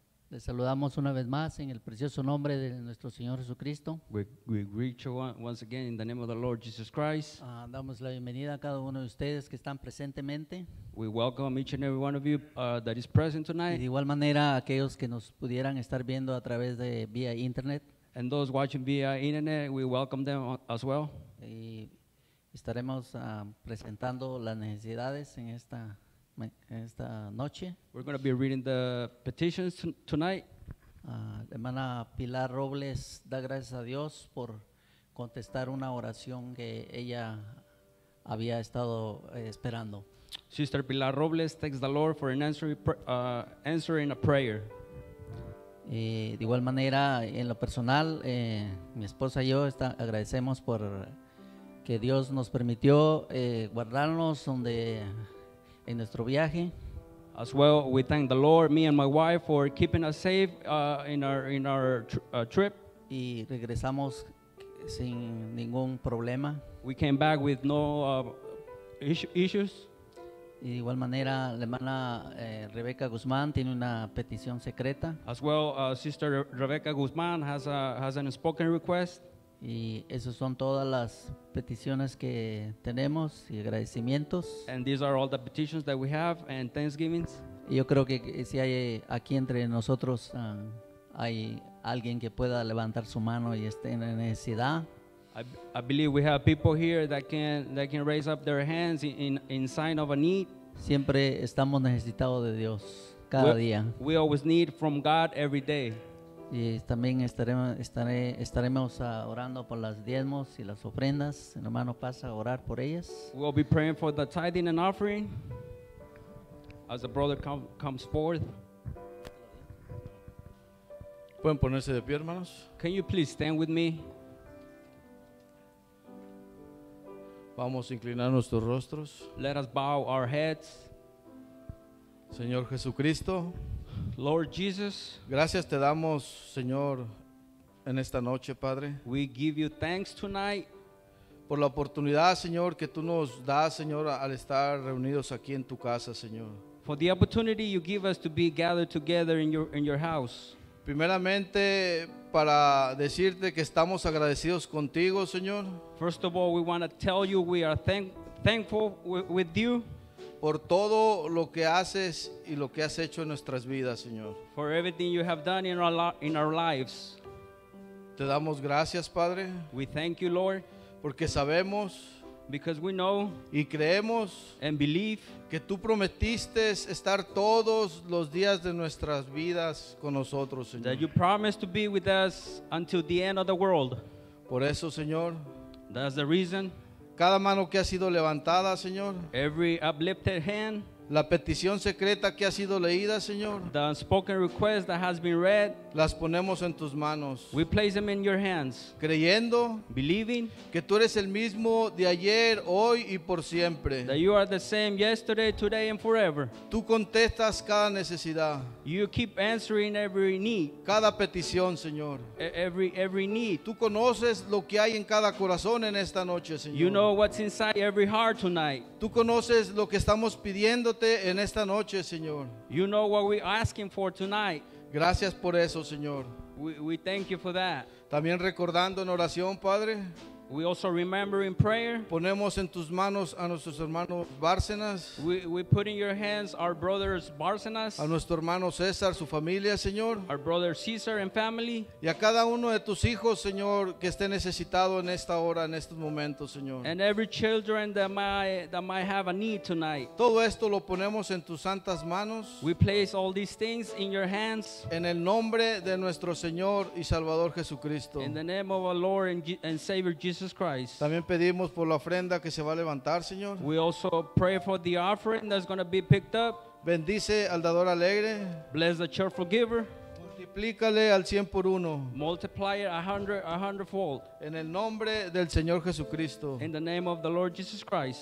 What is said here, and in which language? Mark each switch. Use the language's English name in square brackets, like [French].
[Spanish] Les saludamos una vez más en el precioso nombre de nuestro Señor Jesucristo. [English] We greet you once again in the name of the Lord Jesus Christ. [Spanish] Damos la bienvenida a cada uno de ustedes que están presentemente. [English] We welcome each and every one of you that is present tonight. [Spanish] Y de igual manera aquellos que nos pudieran estar viendo a través de vía internet. [English] And those watching via internet, we welcome them as well. [Spanish] Y estaremos presentando las necesidades en esta noche. [English] We're going to be reading the petitions tonight. [Spanish] Hermana Pilar Robles da gracias a Dios por contestar una oración que ella había estado esperando. [English] Sister Pilar Robles thanks the Lord for answering a prayer. [Spanish] De igual manera, en lo personal, mi esposa y yo agradecemos por que Dios nos permitió guardarnos donde en nuestro viaje. [English] As well, we thank the Lord, me and my wife, for keeping us safe in our trip. [Spanish] Y regresamos sin ningún problema. [English] We came back with no issues. [Spanish] Y de igual manera, la hermana Rebeca Guzmán tiene una petición secreta. [English] As well, Sister Rebeca Guzmán has an unspoken request. [Spanish] Y esas son todas las peticiones que tenemos y agradecimientos. [English] And these are all the petitions that we have and thanksgivings. [Spanish] Y yo creo que si hay aquí entre nosotros hay alguien que pueda levantar su mano y esté en necesidad. [English] I believe we have people here that can raise up their hands in sign of a need. [Spanish] Siempre estamos necesitados de Dios cada día. [English] We always need from God every day. [Spanish] Y también estaremos orando por las diezmos y las ofrendas. El hermano pasa a orar por ellas. [English] We'll be praying for the tithing and offering as the brother comes forth. [Spanish] ¿Pueden ponerse de pie, hermanos? [English] Can you please stand with me? [Spanish] Vamos a inclinar nuestros rostros. [English] Let us bow our heads. [Spanish] Señor Jesucristo. [English] Lord Jesus. [Spanish] Gracias te damos, Señor, en esta noche, Padre. [English] We give you thanks tonight. [Spanish] Por la oportunidad, Señor, que tú nos das, Señor, al estar reunidos aquí en tu casa, Señor. [English] For the opportunity you give us to be gathered together in your house. [Spanish] Primeramente, para decirte que estamos agradecidos contigo, Señor. [English] First of all, we want to tell you we are thankful with you. [Spanish] Por todo lo que haces y lo que has hecho en nuestras vidas, Señor. [English] For everything you have done in our lives. [Spanish] Te damos gracias, Padre. [English] We thank you, Lord. [Spanish] Porque sabemos. [English] Because we know. [Spanish] Y creemos. [English] And believe. [Spanish] Que tú prometiste estar todos los días de nuestras vidas con nosotros, Señor. [English] That you promised to be with us until the end of the world. [Spanish] Por eso, Señor. [English] That's the reason. [Spanish] Cada mano que ha sido levantada, Señor. [English] Every uplifted hand. [Spanish] La petición secreta que ha sido leída, Señor. [English] The unspoken request that has been read. [Spanish] Las ponemos en tus manos. [English] We place them in your hands. [Spanish] Creyendo. [English] Believing. [Spanish] Que tú eres el mismo de ayer, hoy y por siempre. [English] That you are the same yesterday, today and forever. [Spanish] Tú contestas cada necesidad. [English] You keep answering every need. [Spanish] Cada petición, Señor. [English] Every need. [Spanish] Tú conoces lo que hay en cada corazón en esta noche, Señor. [English] You know what's inside every heart tonight. [Spanish] Tú conoces lo que estamos pidiéndote en esta noche, Señor. [English] You know what we're asking for tonight. [Spanish] Gracias por eso, Señor. [English] We thank you for that. [Spanish] También recordando en oración, Padre. [English] We also remember in prayer. [Spanish] Ponemos en tus manos a nuestros hermanos Bárcenas. [English] We put in your hands our brothers Bárcenas. [Spanish] A nuestro hermano César, su familia, Señor. [English] Our brother César and family. [Spanish] Y a cada uno de tus hijos, Señor, que esté necesitado en esta hora, en estos momentos, Señor. [English] And every children that might have a need tonight. [Spanish] Todo esto lo ponemos en tus santas manos. [English] We place all these things in your hands. [Spanish] En el nombre de nuestro Señor y Salvador Jesucristo. [English] In the name of our Lord and Savior Jesus Christ. [Spanish] También pedimos por la ofrenda que se va a levantar, Señor. [English] We also pray for the offering that's going to be picked up. [Spanish] Bendice al dador alegre. [English] Bless the cheerful giver. [Spanish] Multiplícale al 100 por 1. [English] Multiply it 100-fold. [Spanish] En el nombre del Señor Jesucristo. [English] In the name of the Lord Jesus Christ.